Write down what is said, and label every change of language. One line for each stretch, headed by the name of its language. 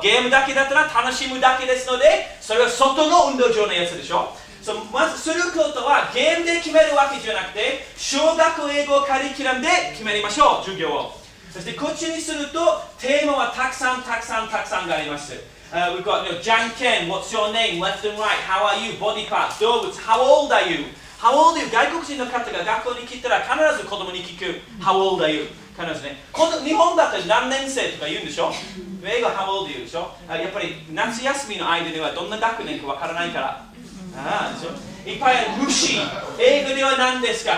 Japanese: ゲームだけだったら楽しむだけですので、それは外の運動場のやつでしょ。 So, まずすることは、ゲームで決めるわけじゃなくて、小学英語カリキュラムで決めましょう、授業を。そしてこっちにすると、テーマはたくさんがあります。
English: We've got, you know, じゃんけん、What's your name? Left and right? How are you? Body parts? 動物 How old are you? How old are you?
Japanese: 外国人の方が学校に来たら必ず子供に聞く。
English: How old are you?
Japanese: 必ずね、日本だったら何年生とか言うんでしょ。英語は
English: How old you
Japanese: でしょ。やっぱり夏休みの間ではどんな学年かわからないから。いっぱいある虫。英語では何ですか。